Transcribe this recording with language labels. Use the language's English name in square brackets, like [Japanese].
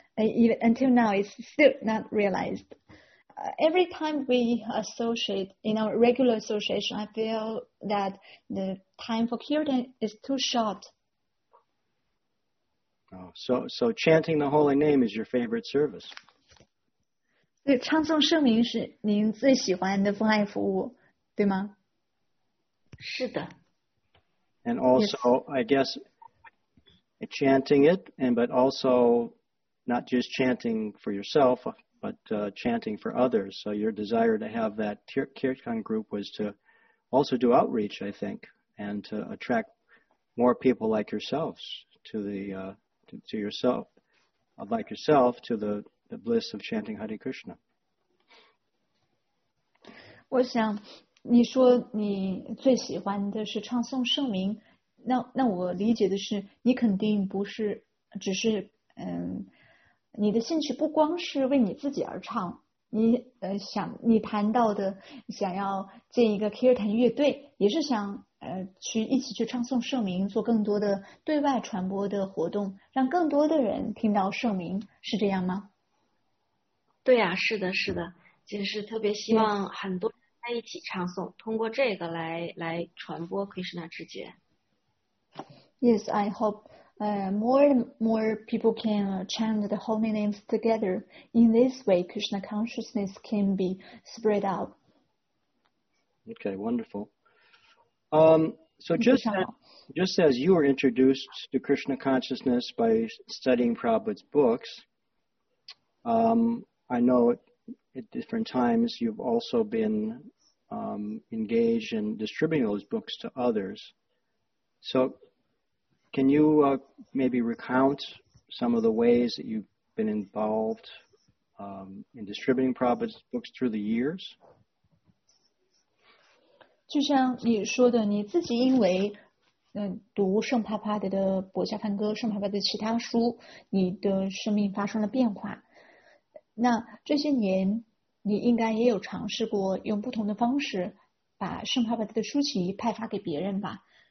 [English] Even until now, it's still not realized. Every time we associate, in our regular association, I feel that the time for kirtan is too short. Oh, so chanting the holy name is your favorite service. [Chinese] 对，唱诵圣名是您最喜欢的奉爱服务，对吗？是的。 [English] And also, yes. I guess, chanting it, but also not just chanting for yourself, but chanting for others. So your desire to have that kirtan group was to also do outreach, I think, and to attract more people like yourselves to the to the bliss of chanting Hare Krishna. [Chinese] 我想你说你最喜欢的是唱诵圣名，那我理解的是你肯定不是只是你的兴趣不光是为你自己而唱，你谈到的想要建一个 kirtan 乐队，也是想去一起去唱诵圣名，做更多的对外传播的活动，让更多的人听到圣名，是这样吗？对呀、啊，是的，是的，就是特别希望很多人在一起唱诵，通过这个来传播 Krishna 之觉。 [English] Yes, I hope. More and more people can chant the holy names together. In this way, Krishna consciousness can be spread out. Okay, wonderful. So just as you were introduced to Krishna consciousness by studying Prabhupada's books, I know at different times you've also been engaged in distributing those books to others. So can you maybe recount some of the ways that you've been involved in distributing Prabhupada's books through the years? [Chinese] 就像你说的，你自己因为读圣帕帕的《博伽梵歌》、圣帕帕的其他书，你的生命发生了变化。那这些年，你应该也有尝试过用不同的方式把圣帕帕的书籍派发给别人吧？